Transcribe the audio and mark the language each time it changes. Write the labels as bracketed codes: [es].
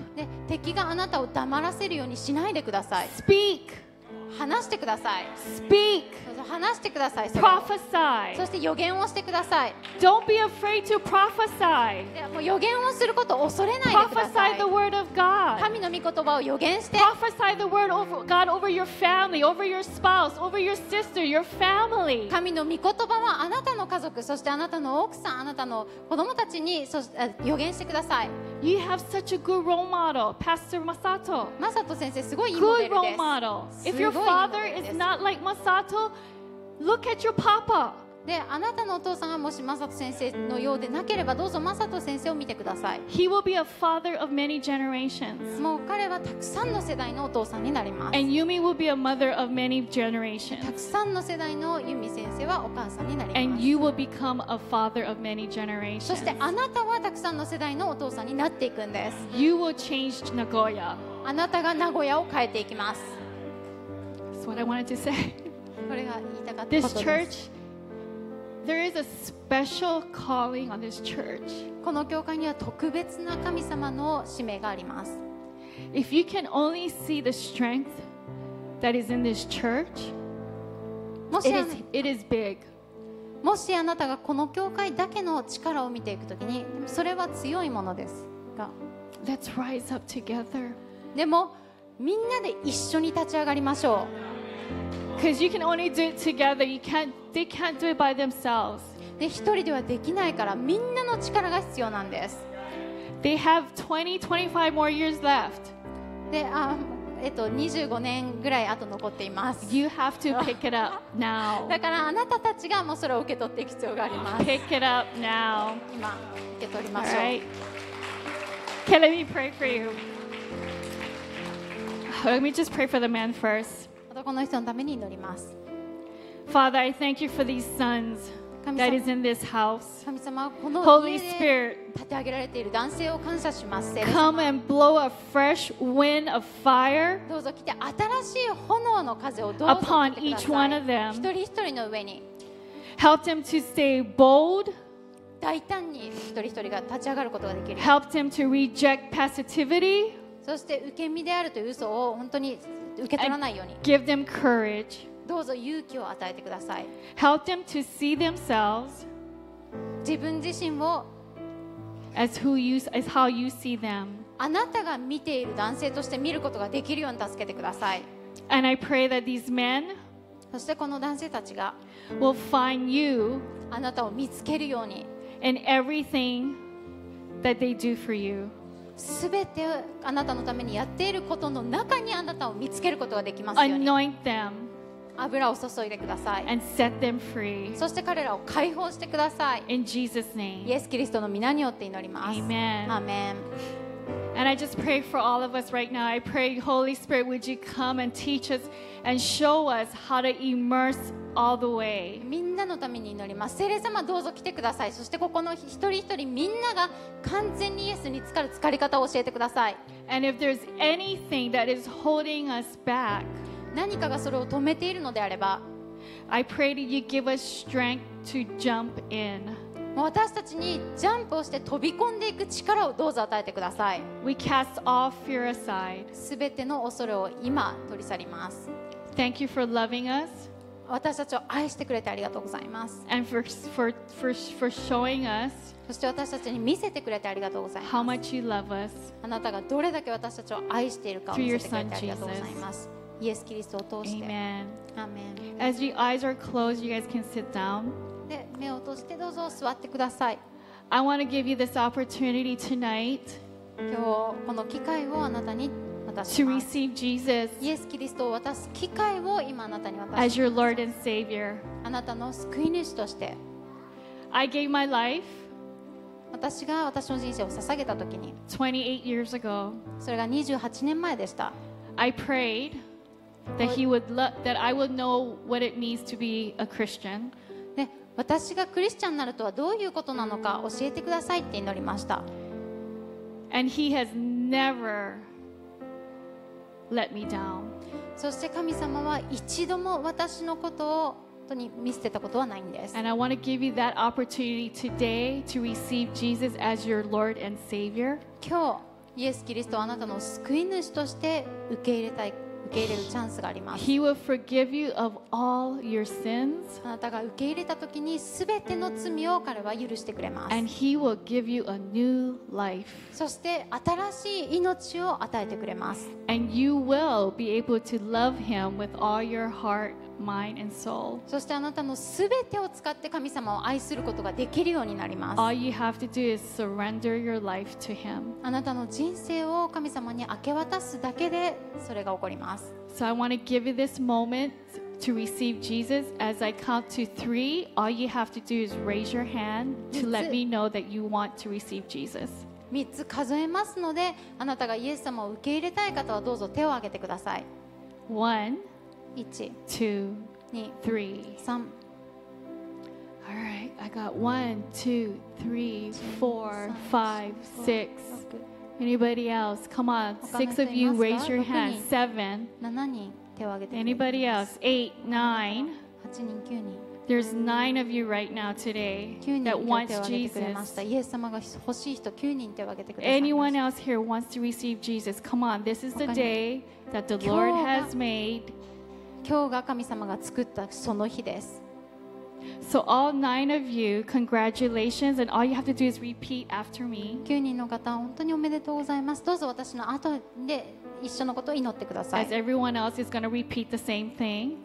[ja] で敵があなたを黙らせるようにしないでください。 [en] Speak. [ja] 話してください。 [en] Speak. [ja] 話してください。 [en] Prophesy. [ja] そして予言をしてください。 [en] Don't be afraid to prophesy. [ja] もう予言をすることを恐れないでください。 [en] Prophesy the word of God. [ja] 神の御言葉を予言して。 [en] Prophesy the word of God over your family, over your spouse, over your sister, your family. [ja] 神の御言葉はあなたの家族、そしてあなたの奥さん、あなたの子供たちに予言してください。 [en] You have such a good role model, Pastor Masato. [ja] Masato 先生すごいいいモデルです。 [en] Good role model. If your father is not like Masato, look at your papa. [ja] で、あなたのお父さんがもし Masato 先生のようでなければ、どうぞ Masato 先生を見てください。 [en] He will be a father of many generations. [ja] もう彼はたくさんの世代のお父さんになります。 [en] And Yumi will be a mother of many generations. [ja] たくさんの世代の Yumi 先生はお母さんになります。 [en] And you will become a father of many generations. [ja] そしてあなたはたくさんの世代のお父さんになっていくんです。 [en] You will change Nagoya. [ja] あなたが名古屋を変えていきます。 [en] What I wanted to say. [ja] これが言いたかったことです。 [en] This church, there is a special calling on this church. [ja] この教会には特別な神様の使命があります。 [en] If you can only see the strength that is in this church, it is big. [ja] もしあなたがこの教会だけの力を見ていくときに、それは強いものですが。 [en] Let's rise up together. [ja] でもみんなで一緒に立ち上がりましょう。 [en] Because you can only do it together. They can't do it by themselves. [ja] で、一人ではできないから、みんなの力が必要なんです。 [en] They have 20, 25 more years left. [ja] で、25年ぐらいあと残っています。 [en] You have to pick it up now. [ja] だからあなたたちがもうそれを受け取っていく必要があります。 [en] Pick it up now. [ja] 今、受け取りましょう。 [en] All right. Okay, let me pray for you. Let me just pray for the man first. [ja] この人のために祈ります。 [en] Father, I thank you for these sons that is in this house. [ja] 神様、この家で立て上げられている男性を感謝します。 [en] Come and blow a fresh wind of fire. [ja] どうぞ来て新しい炎の風をどうぞ。 [en] Upon each one of them. [ja] 一人一人の上に。 [en] Help them to stay bold. [ja] 大胆に一人一人が立ち上がることができる。 [en] Help them to reject passivity. [ja] そして受け身であるという嘘を本当に。受け取らないように。 [en] Give them courage. [ja] どうぞ勇気を与えてください。 [en] Help them to see themselves. [ja] 自分自身を。 [en] As who you, as how you see them. [ja] あなたが見ている男性として見ることができるように助けてください。 [en] And I pray that these men. [ja] そしてこの男性たちが。 [en] Will find you. [ja] あなたを見つけるように。 [en] In everything that they do for you. [ja] すべてあなたのためにやっていることの中にあなたを見つけることができますように。 [en] Anoint them. [ja] 油を注いでください。 [en] And set them free. [ja] そして彼らを解放してください。 [en] In Jesus' name. [ja] イエス・キリストの御名によって祈ります。 [en] Amen. Amen. And I just pray for all of us right now. I pray, Holy Spirit, would you come and teach us and show us how to immerse all the way. [ja] みんなのために祈ります。聖霊様、どうぞ来てください。そしてここの一人一人みんなが完全にイエスに浸かる浸かり方を教えてください。 [en] And if there's anything that is holding us back, [ja] 何かがそれを止めているのであれば、 [en] I pray that you give us strength to jump in. [ja] 私たちにジャンプをして飛び込んでいく力をどうぞ与えてください。 [en] We cast all fear aside. [ja] すべての恐れを今取り去ります。 [en] Thank you for loving us. [ja] 私たちを愛してくれてありがとうございます。 [en] And for showing us. [ja] そして私たちに見せてくれてありがとうございます。 [en] How much you love us. [ja] あなたがどれだけ私たちを愛しているかを見せてくれてありがとうございます。イエス・キリストを通して。 [en] Amen. Amen. As your eyes are closed, you guys can sit down. [ja] で目を閉じてどうぞ座ってください。 [en] I want to give you this opportunity tonight. [ja] 今日この機会をあなたに渡します。 [en] To receive Jesus. [ja] イエス・キリストを渡す機会を今あなたに渡します。 [en] As your Lord and Savior. [ja] あなたの救い主として。 [en] I gave my life. [ja] 私が私の人生を捧げた時に。 [en] 28 years ago. [ja] それが28年前でした。 [en] I prayed. That he would love, that I would know what it means to be a Christian. [ja] で、私がクリスチャンになるとはどういうことなのか教えてくださいって祈りました。 [en] And he has never let me down. [ja] そして神様は一度も私のことを本当に見捨てたことはないんです。 [en] And I want to give you that opportunity today to receive Jesus as your Lord and Savior. [ja] 今日、イエス・キリストをあなたの救い主として受け入れたい。受け入れるチャンスがあります。 [en] He will forgive you of all your sins. [ja] あなたが受け入れた時に全ての罪を彼は許してくれます。 [en] And he will give you a new life. [ja] そして新しい命を与えてくれます。 [en] And you will be able to love him with all your heart, mind, and soul. [ja] そしてあなたの全てを使って神様を愛することができるようになります。 [en] All you have to do is surrender your life to him. [ja] あなたの人生を神様に明け渡すだけでそれが起こります。 [en] So I want to give you this moment to receive Jesus. As I count to three, all you have to do is raise your hand to let me know that you want to receive Jesus. [ja] 3つ数えますので、あなたがイエス様を受け入れたい方はどうぞ手を挙げてください。 1、 2、3。 [en] All right, I got 1, 2, 3, 4, 5, 6. Anybody else? Come on, six of you, raise your hand. Seven. Anybody else? Eight, nine. There's nine of you right now today that wants Jesus. [ja] イエス様が欲しい人、9人手を挙げてください [en] 。 Anyone else here wants to receive Jesus? Come on, this is the day that the Lord has made. [ja] 今日が神様が作ったその日です。 [en] So all nine of you, congratulations, and all you have to do is repeat after me. [ja] 9人の方、本当におめでとうございます。どうぞ私の後で一緒のことを祈ってください。 [en] As everyone else is going to repeat the same thing.